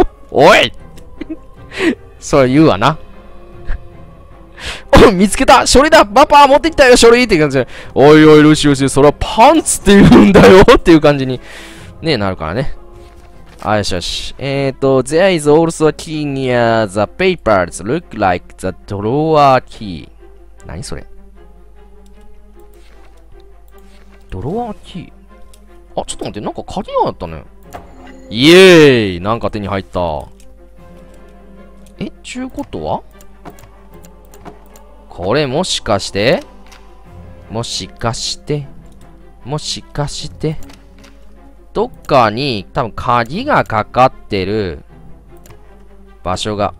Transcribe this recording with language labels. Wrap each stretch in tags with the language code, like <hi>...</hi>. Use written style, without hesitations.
<ja>おい。それ言うわな。お、見つけた書類だ、パパ持ってきたよ書類って感じで、おいおいルシウス、それはパンツって言うんだよっていう感じにねえなるからね。あ、よしよし。</ja> <en>There is also a key near the papers. Look like the drawer key.</en> <ja>何それ、ドロワーキー。あ、ちょっと待って、なんか鍵があったね。イエーイ、なんか手に入った。え、ちゅうことはこれもしかして、もしかして、もしかして、どっかに多分鍵がかかってる場所が。</ja>